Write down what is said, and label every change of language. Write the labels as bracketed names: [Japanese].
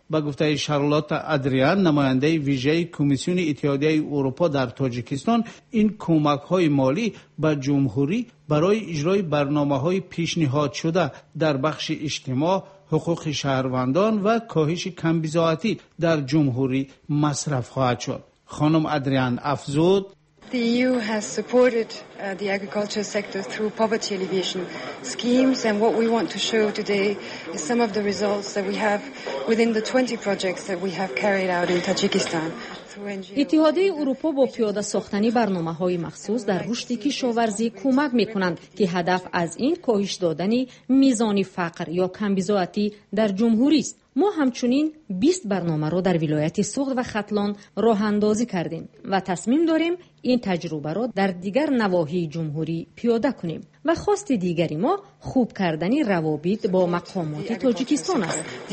[Persian] با گفته شارلوتا ادریان نماینده ویژه کمیسیون اتحادیه اروپا در تاجیکستان، این کمک های مالی به جمهوری برای اجرای برنامه های پیشنهاد شده در بخش اجتماع، حقوق شهروندان و کاهش کمبزاعتی در جمهوری مصرف خواهد شد. خانم ادریان افزود: [English] The EU has supported the agriculture sector through poverty alleviation schemes, and what we want to show today is some of the results that we have within the 20 projects that we have carried out in Tajikistan. [Persian] اتحادیه اروپا با پیاده ساختنی برنامه های مخصوص در رشد کشاورزی کمک می کنند که هدف از این کاهش دادنی میزان فقر یا کمبزاعتی در جمهوری است. ما همچنین 20 برنامه را در ولایت سغد و ختلان راه اندازی کردیم و تصمیم داریم این تجربه را در دیگر نواحی جمهوری پیاده کنیم و خواست دیگری ما خوب کردن روابط با مقامات تاجیکستان است.